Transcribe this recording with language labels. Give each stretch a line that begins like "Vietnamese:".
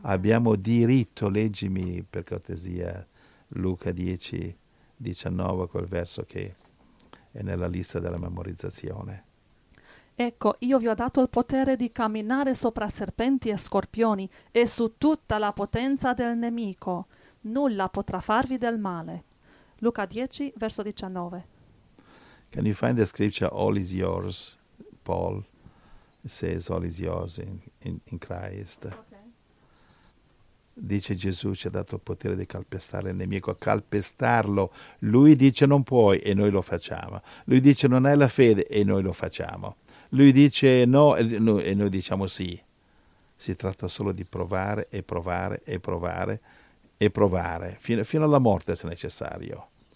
Italian: Abbiamo diritto, leggimi per cortesia Luca 10, 19, quel verso che è nella lista della memorizzazione. Ecco, io vi ho dato il potere di camminare sopra serpenti e scorpioni e su tutta la potenza del nemico. Nulla potrà farvi del male. Luca 10, verso 19.
English: Can you find the scripture, all is yours, Paul says all is yours in Christ. Okay.
Italian: Dice Gesù, ci ha dato il potere di calpestare il nemico, calpestarlo. Lui dice non puoi e noi lo facciamo. Lui dice non hai la fede e noi lo facciamo. Lui dice no e noi diciamo sì. Si tratta solo di provare e provare e provare e provare, fino alla morte se necessario.